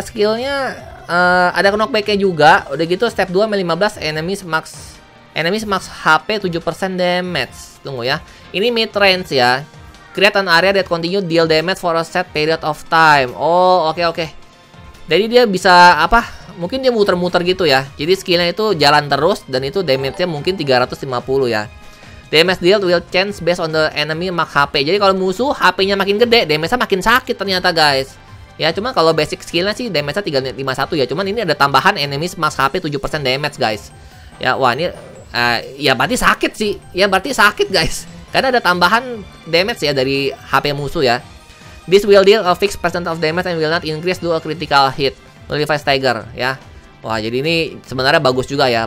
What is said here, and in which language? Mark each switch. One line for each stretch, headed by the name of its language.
Indonesian: Skillnya ada knockbacknya juga. Udah gitu
English: step 2 M15 enemies max HP 7% damage.
Indonesian: Tunggu ya, ini mid range ya.
English: Create an area that continue deal damage for a set period of time.
Indonesian: Oh, oke. Jadi dia bisa apa? Mungkin dia muter-muter gitu ya. Jadi skillnya itu jalan terus dan itu damage-nya mungkin 350 ya.
English: Damage dealt will change based on the enemy max HP.
Indonesian: Jadi kalau musuh HP-nya makin gede, damage-nya makin sakit ternyata guys. Ya, cuma kalau basic skillnya sih damage-nya 351 ya. Cuman ini ada tambahan
English: enemy max HP 7% damage
Indonesian: guys. Ya, wah ini ya berarti sakit sih. Ya berarti sakit guys. Karena ada tambahan damage ya dari HP musuh ya.
English: This will deal a fixed percent of damage and will not increase due a critical hit.
Indonesian: Nullify Stagger ya. Wah, jadi ini sebenarnya bagus juga ya.